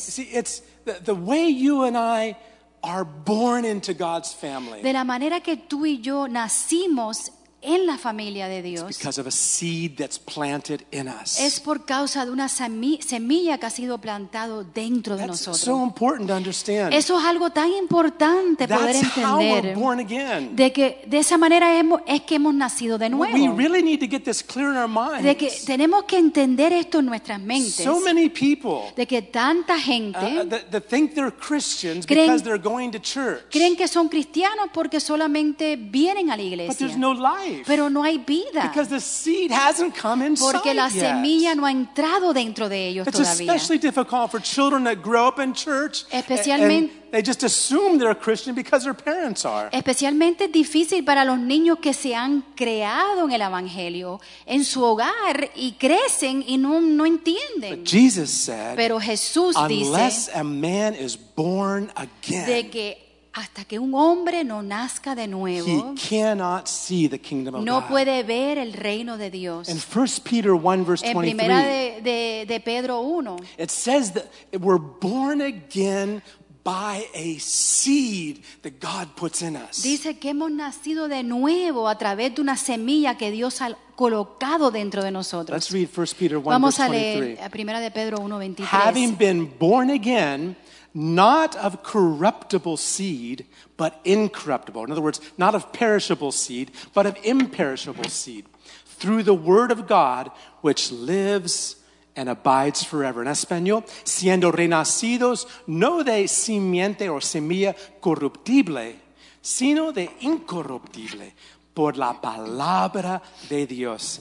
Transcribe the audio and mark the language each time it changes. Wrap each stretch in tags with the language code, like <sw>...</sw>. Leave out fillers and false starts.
<en>See, it's the way you and I are born into God's family.</en> <es>De la manera que tú y yo nacimos en la familia de Dios.</es> <en>It's because of a seed that's planted in us.</en> <es>Es por causa de una semilla que ha sido plantado dentro de nosotros.</es> <en>So important to understand.</en> <es>Eso es algo tan importante</es> <en>that's</en> <es>poder entender.</es> <en>How we're born again.</en> <es>De que de esa manera es que hemos nacido de nuevo.</es> <en>We really need to get this clear in our minds.</en> <es>De que tenemos que entender esto en nuestras mentes.</es> <en>So many people.</en> <es>De que tanta gente</es> <en>that think they're Christians because they're going to church.</en> <es>Creen que son cristianos porque solamente vienen a la iglesia.</es> <en>But there's no life.</en> <es>Pero no hay vida.</es> <en>Because the seed hasn't come inside</en> <es>porque la semilla</es> <en>yet.</en> <es>No ha entrado dentro de ellos</es> <en>it's</en> <es>todavía.</es> <en>It's especially difficult for children that grow up in church.</en> <es>Especialmente.</es> <en>They just assume they're a Christian because their parents are.</en> <es>Especialmente difícil para los niños que se han creado en el evangelio en su hogar y crecen y no entienden.</es> <en>But Jesus said.</en> <es>Pero Jesús dice.</es> <en>Unless a man is born again.</en> <es>De que hasta que un hombre no nazca de nuevo,</es> <en>he cannot see the kingdom of</en> <es>no</es> <en>God.</en> <es>Puede ver el reino de Dios.</es> <en>In 1 Peter 1, verse 23,</en> <es>en primera de Pedro 1,</es> <en>it says that we're born again by a seed that God puts in us.</en> <es>Dice que hemos nacido de nuevo a través de una semilla que Dios ha colocado dentro de nosotros.</es> <en>Let's read 1 Peter 1,</en> <es>vamos</es> <en>verse 23.</en> <es>A leer a primera de Pedro 1, 23.</es> <en>Having been born again, not of corruptible seed, but incorruptible. In other words, not of perishable seed, but of imperishable seed, through the word of God, which lives and abides forever. In Espanol,</en> <es>siendo renacidos, no de simiente o semilla corruptible, sino de incorruptible, por la palabra de Dios.</es>